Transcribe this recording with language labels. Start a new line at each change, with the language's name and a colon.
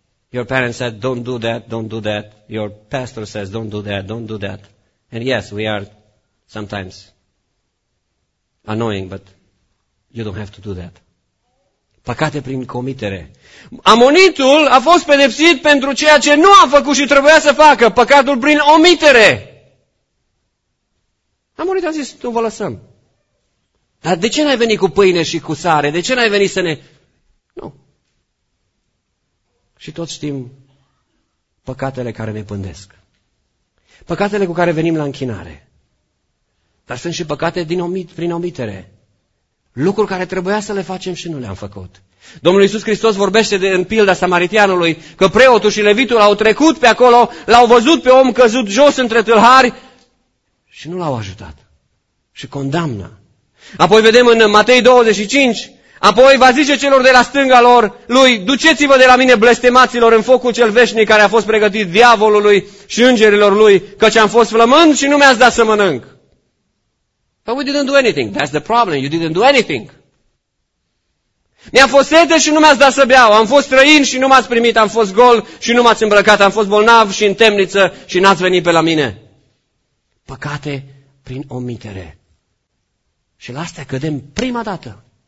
English: Your parents said, don't do that, don't do that. Your pastor says, don't do that, don't do that. And yes, we are sometimes annoying, but you don't have to do that.
Romanian: Păcate prin comitere. Amonitul a fost pedepsit pentru ceea ce nu a făcut și trebuia să facă. Păcatul prin omitere. Amonitul a zis, nu vă lăsăm. Dar de ce n-ai venit cu pâine și cu sare? De ce n-ai venit să ne... Nu. Și toți știm păcatele care ne pândesc. Păcatele cu care venim la închinare. Dar sunt și păcate prin omitere. Lucruri care trebuia să le facem și nu le-am făcut. Domnul Iisus Hristos vorbește în pilda samaritianului că preotul și levitul au trecut pe acolo, l-au văzut pe om căzut jos între tâlhari și nu l-au ajutat. Și condamnă. Apoi vedem în Matei 25, apoi va zice celor de la stânga lor, lui, duceți-vă de la mine blestemaților în focul cel veșnic care a fost pregătit diavolului și îngerilor lui, căci am fost flămând și nu mi-ați dat să mănânc.
English: But we didn't do anything. That's the problem. You didn't do anything.
Romanian: Mi-a fost sete și nu mi-ați dat să beau, am fost străin și nu m-ați primit, am fost gol și nu m-ați îmbrăcat, am fost bolnav și în temniță și n-ați venit pe la mine. Păcate prin omitere. Și la astea cădem prima dată.